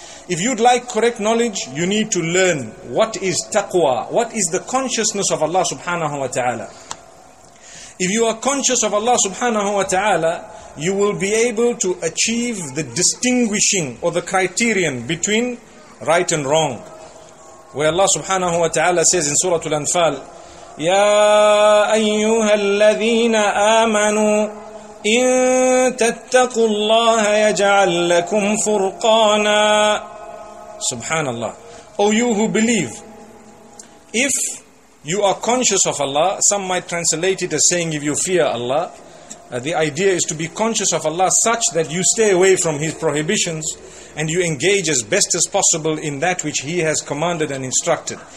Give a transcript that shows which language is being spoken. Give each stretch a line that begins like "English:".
English: If you'd like correct knowledge, you need to learn what is taqwa, what is the consciousness of Allah subhanahu wa ta'ala. If you are conscious of Allah subhanahu wa ta'ala, you will be able to achieve the distinguishing or the criterion between right and wrong. Where Allah subhanahu wa ta'ala says in Surah Al-Anfal,
Arabic: يَا أَيُّهَا الَّذِينَ آمَنُوا إِن تَتَّقُوا اللَّهَ يَجْعَلْ لَكُمْ فُرْقَانًا.
English: Subhanallah. O you who believe, if you are conscious of Allah, some might translate it as saying if you fear Allah, the idea is to be conscious of Allah such that you stay away from His prohibitions and you engage as best as possible in that which He has commanded and instructed.